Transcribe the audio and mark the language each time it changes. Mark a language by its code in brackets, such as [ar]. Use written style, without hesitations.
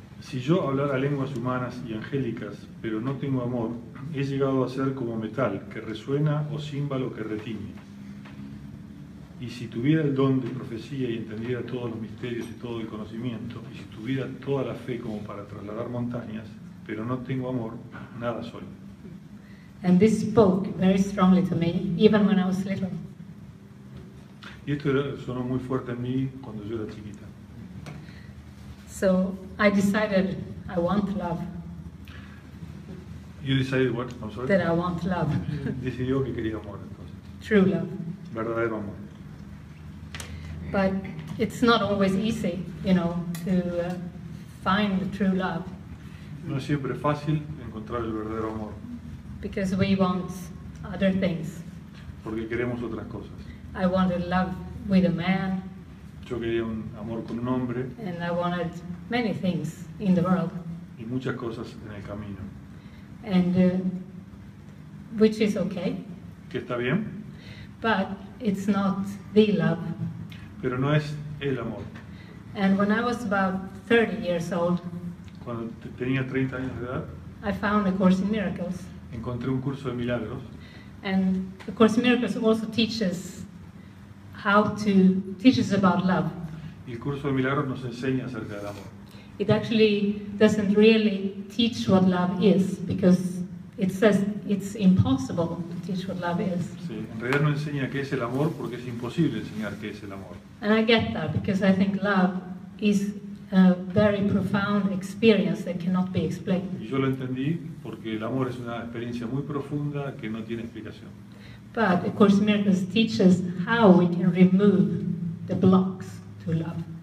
[es] Si yo hablara lenguas humanas y angélicas, pero no tengo amor, he llegado a ser como metal que resuena o címbalo que retiñe. Y si tuviera el don de profecía y entendiera todos los misterios y todo el conocimiento, y si tuviera toda la fe como para trasladar montañas, pero no tengo amor, nada soy. [en] And this spoke very strongly to me, even when I was little. [es] Y esto sonó muy fuerte en mí cuando yo era chiquita. [en] So I decided I want love. You decided what? I'm sorry. That I want love. [es] Decidió que quería amor, entonces. [en] True love. [es] Verdadero amor. [en] But it's not always easy, you know, to find the true love. [es] No es siempre fácil encontrar el verdadero amor. [en] Because we want other things. [es] Porque queremos otras cosas. [en] I wanted love with a man. [es] Yo quería un amor con un hombre. [en] And I wanted many things in the world. [es] Y muchas cosas en el camino. [en] And which is okay. [es] Que está bien. [en] But it's not the love. [es] Pero no es el amor. [en] And when I was about 30 years old, [es] cuando tenía 30 años de edad, [en] I found a course in miracles. [es] Encontré un curso de milagros. [en] And the course in miracles also teaches about love. [es] Y el curso de milagros nos enseña acerca del amor. [en] It actually doesn't really teach what love is, because it says it's impossible to teach what love is. [es] Sí, en realidad no enseña qué es el amor, porque es imposible enseñar qué es el amor. [en] And I get that, because I think love is a very profound experience that cannot be explained. [es] Y yo lo entendí porque el amor es una experiencia muy profunda que no tiene explicación. [en] But of course, miracles teaches how we can remove the blocks to love.